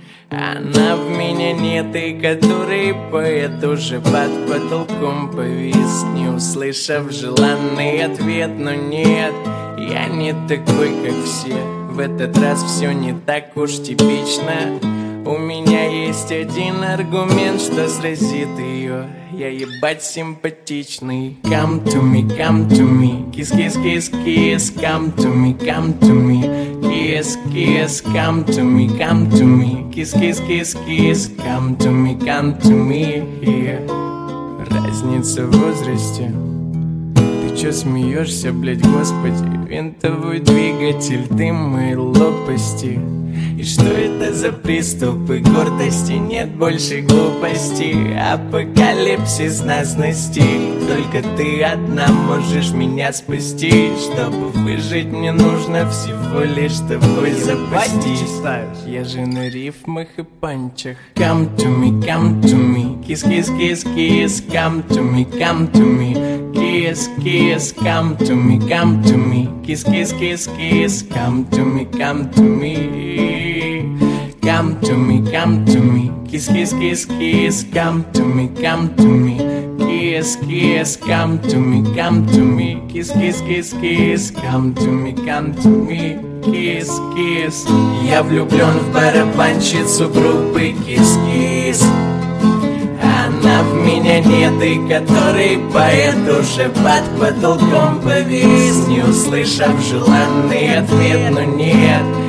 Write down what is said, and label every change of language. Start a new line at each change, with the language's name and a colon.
Russian: Она в меня нет, и который поэт уже под потолком повис, не услышав желанный ответ. Но нет, я не такой, как все. В этот раз все не так уж типично. У меня есть один аргумент, что сразит ее. Я ебать симпатичный.
English: Come to me, kiss, kiss, kiss, kiss. Come to me, kiss, kiss. Come to me, kiss, kiss, kiss, kiss. Come to me, yeah.
Russian: Разница в возрасте. Ты чё смеешься, блять, господи? Винтовой двигатель, ты мои лопасти. И что это за приступы гордости? Нет больше глупости, апокалипсис нас настиг. Только ты одна можешь меня спасти. Чтобы выжить, мне нужно всего лишь тобой запастись. Я же на рифмах и панчах.
English: Come to me, kiss, kiss, kiss, kiss. Come to me, kiss, kiss. Come to me, kiss, kiss, kiss, kiss. Come to me. Come to me, kiss, kiss, kiss, kiss. Come to me, kiss, kiss. Come to me, kiss, kiss, kiss, kiss. Come to me, kiss, kiss.
Russian: Я влюблен в барабанщицу группы Kiss Kiss. Она в меня нет, и который поэт уже под потолком повис, не услышав желанный ответ, но нет.